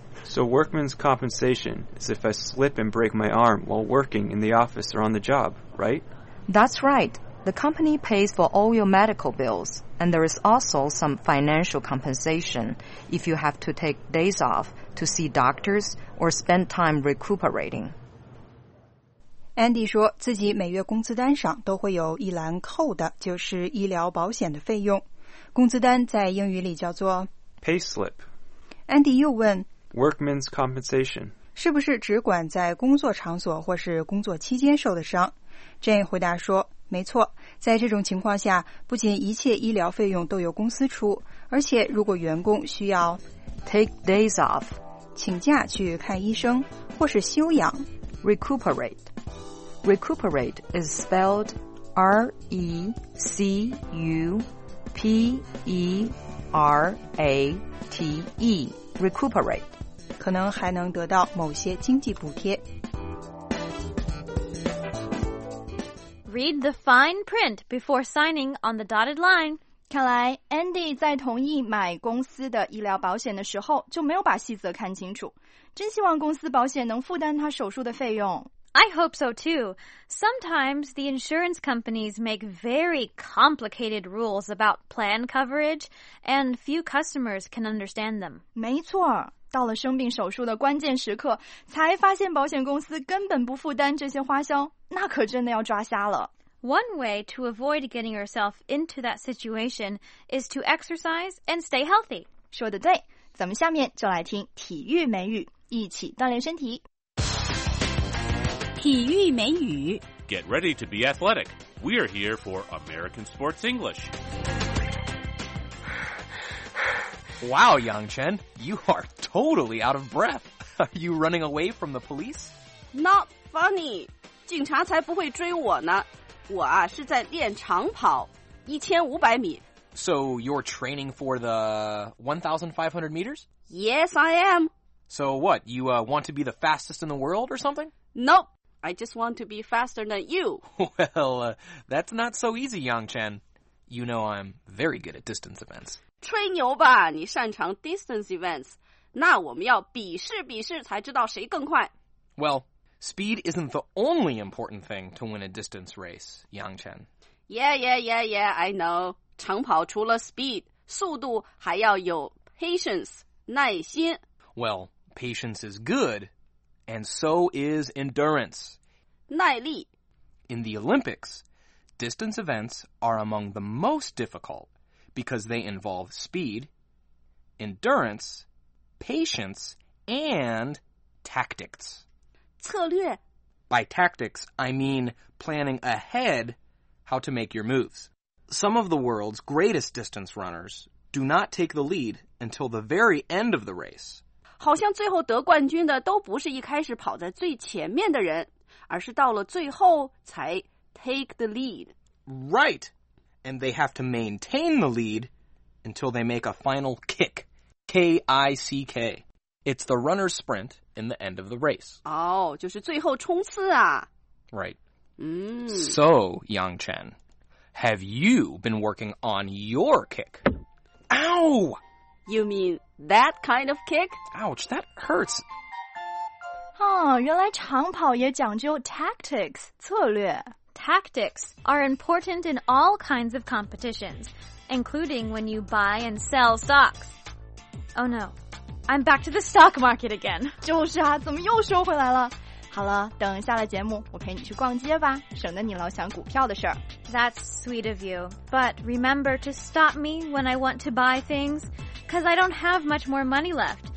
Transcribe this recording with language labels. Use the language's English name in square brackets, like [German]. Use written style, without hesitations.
[English] So workman's compensation is if I slip and break my arm while working in the office or on the job, right? That's right. The company pays for all your medical bills, and there is also some financial compensation if you have to take days off to see doctors or spend time recuperating. [Chinese] Andy 说自己每月工资单上都会有一栏扣的，就是医疗保险的费用。工资单在英语里叫做 [English] pay slip. [Chinese] Andy 又问 [English] workman's compensation [Chinese] 是不是只管在工作场所或是工作期间受的伤？ Jane 回答说没错，在这种情况下，不仅一切医疗费用都由公司出，而且如果员工需要 [English] take days off [Chinese] 请假去看医生或是休养 [English] recuperate recuperate is spelled R-E-C-U-P-E-R-A-T-E recuperate [Chinese] 可能还能得到某些经济补贴。 [English] Read the fine print before signing on the dotted line. [Chinese] 看来 Andy 在同意买公司的医疗保险的时候就没有把细则看清楚。真希望公司保险能负担他手术的费用。 [English] I hope so too. Sometimes the insurance companies make very complicated rules about plan coverage, and few customers can understand them. [Chinese] 没错，到了生病手术的关键时刻，才发现保险公司根本不负担这些花销，那可真的要抓瞎了。 [English] One way to avoid getting yourself into that situation is to exercise and stay healthy. [Chinese] 说得对，咱们下面就来听体育美语，一起锻炼身体。体育美语。 [English] Get ready to be athletic. We are here for American Sports English. Wow, Yangchen, you are totally out of breath. Are you running away from the police? Not funny. [Chinese] 警察才不会追我呢。我啊是在练长跑，1500米。 [English] So you're training for the 1,500 meters? Yes, I am. So what, you want to be the fastest in the world or something? Nope. I just want to be faster than you. Well, that's not so easy, Yangchen. You know I'm very good at distance events. [Chinese] 吹牛吧，你擅长 [English] distance events. [Chinese] 那我们要比试比试才知道谁更快。 [English] Well, speed isn't the only important thing to win a distance race, Yangchen. Yeah, I know. [Chinese] 长跑除了 speed, 速度还要有 patience, 耐心。 [English] Well, patience is good. And so is endurance. [Chinese] 耐力。 [English] In the Olympics, distance events are among the most difficult because they involve speed, endurance, patience, and tactics. [Chinese] 策略。 [English] By tactics, I mean planning ahead how to make your moves. Some of the world's greatest distance runners do not take the lead until the very end of the race. 好像最后得冠军的都不是一开始跑在最前面的人，而是到了最后才 take the lead. Right. And they have to maintain the lead until they make a final kick. K-I-C-K. It's the runner's sprint in the end of the race. [Chinese] 哦、oh, 就是最后冲刺啊。 [English] Right.、 Mm. So, Yangchen, have you been working on your kick? Ow! You mean... That kind of kick? Ouch, that hurts. [Chinese] 哦，原来长跑也讲究 tactics, 策略。 [English] Tactics are important in all kinds of competitions, including when you buy and sell stocks. Oh no, I'm back to the stock market again. [Chinese] 就是啊，怎么又说回来了？好了，等下了节目，我陪你去逛街吧，省得你老想股票的事儿。 [English] That's sweet of you, but remember to stop me when I want to buy things, because I don't have much more money left.